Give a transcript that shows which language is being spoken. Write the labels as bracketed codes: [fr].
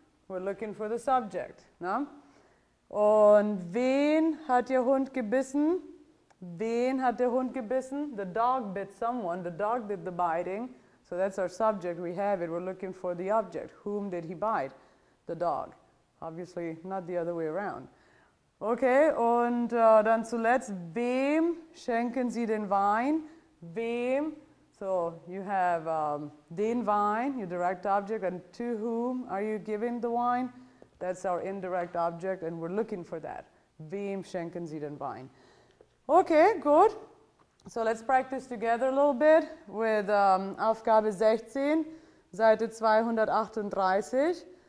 [en] We're looking for the subject. No? [de] Und wen hat der Hund gebissen? Wen hat der Hund gebissen? [en] The dog bit someone. The dog did the biting. So that's our subject. We have it. We're looking for the object. Whom did he bite? The dog. Obviously not the other way around. [de] Okay, und dann zuletzt, wem schenken Sie den Wein? Wem? [en] So you have den Wein, your direct object, and to whom are you giving the wine? That's our indirect object, and we're looking for that. [de] Wem schenken Sie den Wein? Okay, good. [en] So let's practice together a little bit with Aufgabe 16, Seite 238.